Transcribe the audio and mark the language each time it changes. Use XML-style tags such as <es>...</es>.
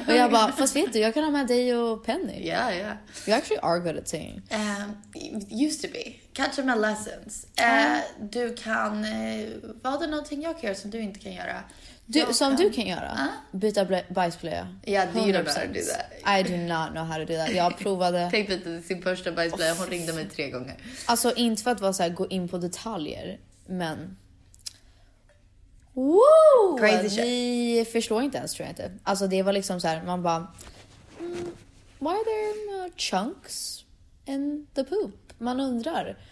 <sv>Och jag bara, fast vet du, jag kan ha med dig och Penny.</sv> <en>Yeah. You actually are good at singing. Used to be. Catch my lessons.</en> <sv>Du kan, var det någonting jag kan göra som du inte kan göra? Du kan göra? Byta bajsblöja.</sv> <en>Yeah, you don't know how to do that. I do not know how to do that.</en> <sv>Jag provade. Tänk lite, sin första bajsblöja, hon ringde mig 3 gånger. Alltså, inte för att vara så här, gå in på detaljer, men... Woo!</sv> <en>Crazy shit.</en> <sv>Vi förstår inte ens, tror jag inte. Alltså det var liksom så här, man bara</sv> <en>why are there chunks in the poop?</en> <sv>Man undrar.</sv>